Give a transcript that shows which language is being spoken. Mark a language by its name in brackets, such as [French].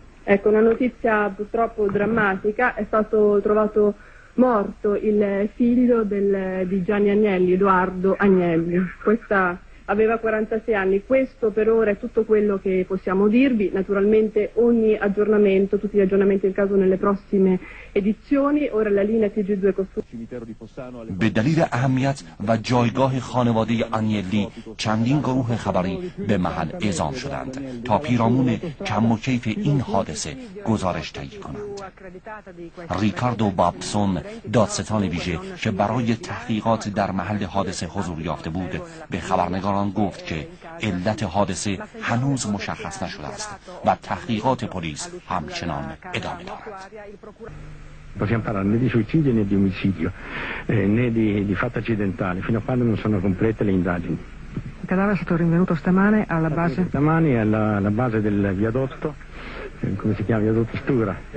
[Italian] Ecco, una notizia purtroppo drammatica. È stato trovato morto il figlio di Gianni Agnelli, Edoardo Agnelli. Questa... aveva 46 anni, questo per ora è tutto quello che possiamo dirvi, naturalmente ogni aggiornamento, tutti gli aggiornamenti del caso nelle prossime edizioni, ora la linea TG2 costruita. [Persian] به دلیل اهمیت و جایگاه خانواده آنیلی، چندین گروه خبری به محل اعزام شدند تا پیرامون کم و کیف این حادثه گزارش تهیه کنند. ریکاردو بابسون، دادستان ویژه که برای تحقیقات در محل حادثه حضور یافته بود، به خبرنگار آن گفت که علت حادثه هنوز مشخص نشده است و تحقیقات پلیس همچنان ادامه دارد. [Italian] Possiamo parlare né di suicidio né di omicidio né di fatto accidentale fino a quando non sono complete le indagini. Il cadavere è stato rinvenuto stamane alla base. Stamane alla base del viadotto. Come si chiama? Viadotto Stura.